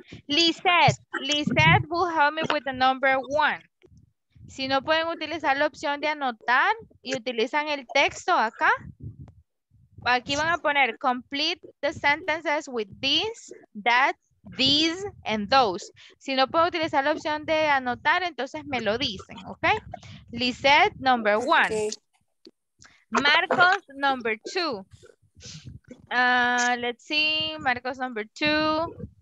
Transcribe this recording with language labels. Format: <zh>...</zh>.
<en>Lizette will help me with the number one.</en> <es>Si no pueden utilizar la opción de anotar y utilizan el texto acá. Aquí van a poner</es> <en>complete the sentences with this, that, these, and those.</en> <es>Si no pueden utilizar la opción de anotar, entonces me lo dicen, ¿ok?</es> <en>Lizette, number one. Okay. Marcos, number two. Let's see, Marcos, number two.</en>